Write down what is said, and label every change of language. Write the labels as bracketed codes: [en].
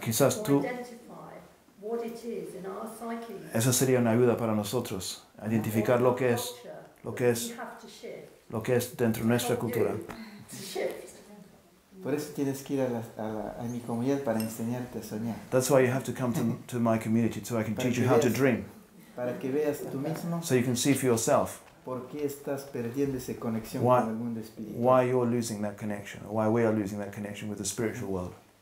[es] quizás tú, [en] identify what it is in our psyche. [es] Esa sería una ayuda para nosotros, identificar lo que es, lo que es dentro de nuestra cultura. Por eso tienes que ir a mi comunidad para enseñarte a soñar. [en] That's why you have to come to my community so I can teach you how to dream. [es] Para que veas tú mismo. [en] So you can see for yourself. [es] ¿Por qué estás perdiendo esa conexión con el mundo espiritual? [en] Why you're losing that connection? Why we are losing that connection with the spiritual world?